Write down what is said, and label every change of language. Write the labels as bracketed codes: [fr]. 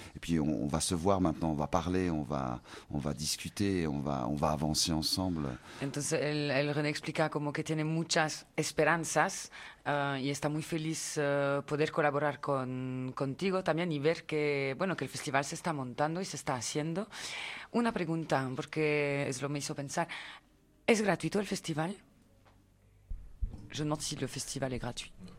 [fr] Et puis on va se voir maintenant, on va parler, on va discuter, on va avancer ensemble. [es] Entonces el René explica como que tiene muchas esperanzas y está muy feliz poder colaborar contigo también y ver que bueno que el festival se está montando y se está haciendo. Una pregunta, porque es lo que me hizo pensar. ¿Es gratuito el festival? [fr] Je me demande si le festival est gratuit.